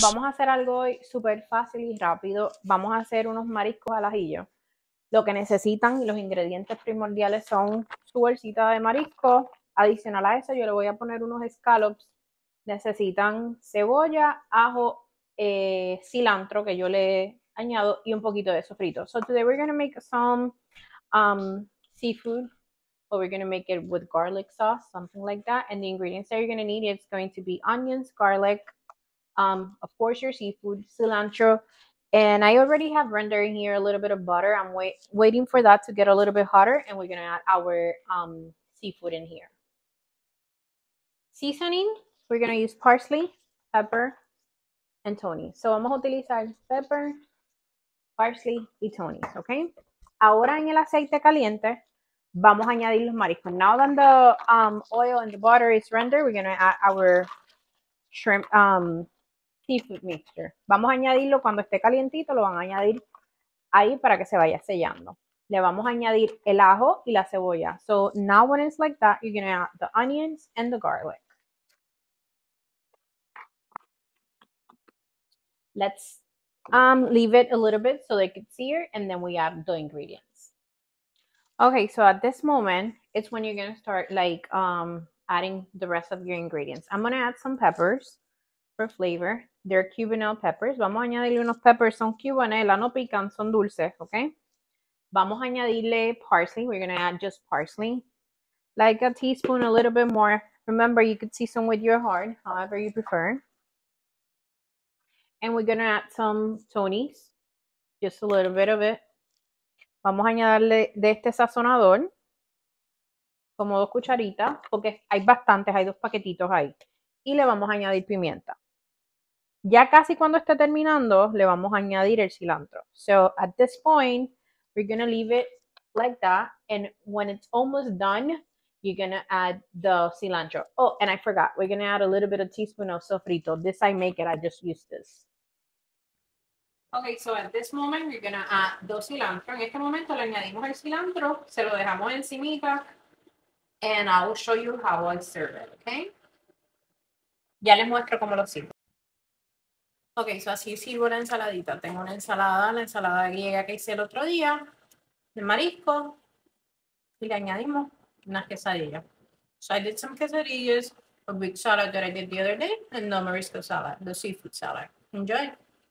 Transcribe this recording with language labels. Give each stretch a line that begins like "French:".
Spanish: vamos a hacer algo hoy súper fácil y rápido. Vamos a hacer unos mariscos al ajillo. Lo que necesitan, los ingredientes primordiales son su bolsita de marisco. Adicional a eso, yo le voy a poner unos scallops. Necesitan cebolla, ajo, cilantro, que yo le añado, y un poquito de sofrito.
English: So today we're going to make some seafood, but we're going to make it with garlic sauce, something like that. And the ingredients that you're going to need, it's going to be onions, garlic, of course your seafood, cilantro. And I already have rendering here, a little bit of butter. I'm waiting for that to get a little bit hotter. And we're going to add our seafood in here. Seasoning, we're going to use parsley, pepper, and Tony.
Spanish: So vamos a utilizar pepper, parsley, y Tony, okay? Ahora en el aceite caliente, vamos a añadir los mariscos.
English: Now that the oil and the butter is rendered, we're going to add our shrimp seafood mixture.
Spanish: Vamos a añadirlo cuando esté calientito, lo van a añadir ahí para que se vaya sellando. Le vamos a añadir el ajo y la cebolla.
English: So now when it's like that, you're going to add the onions and the garlic. Let's leave it a little bit so they can see it, and then we add the ingredients. Okay, so at this moment, it's when you're gonna start like adding the rest of your ingredients. I'm gonna add some peppers for flavor. They're cubanelle peppers.
Spanish: Vamos a añadirle unos peppers, son cubanela, no pican, son dulces, okay? Vamos a añadirle parsley.
English: We're gonna add just parsley. Like a teaspoon, a little bit more. Remember, you could season with your heart, however you prefer. And we're gonna add some Tony's, just a little bit of it.
Spanish: Vamos a añadirle de este sazonador, como dos cucharitas, porque hay bastantes, hay dos paquetitos ahí. Y le vamos a añadir pimienta. Ya casi cuando esté terminando, le vamos a añadir el cilantro.
English: So at this point, we're going to leave it like that. And when it's almost done, you're going to add the cilantro. Oh, and I forgot, we're going to add a little bit of teaspoon of sofrito. This I make it, I just use this. Okay, so at this moment, you're going to add the cilantro.
Spanish: En este momento le añadimos el cilantro, se lo dejamos encimita,
English: and I will show you how I serve it, okay?
Spanish: Ya les muestro cómo lo sirvo. Okay, so así sirvo la ensaladita. Tengo la ensalada griega que hice el otro día, de marisco, y le añadimos unas quesadillas.
English: So I did some quesadillas, a big salad that I did the other day, and the Mariscos salad, the seafood salad. Enjoy.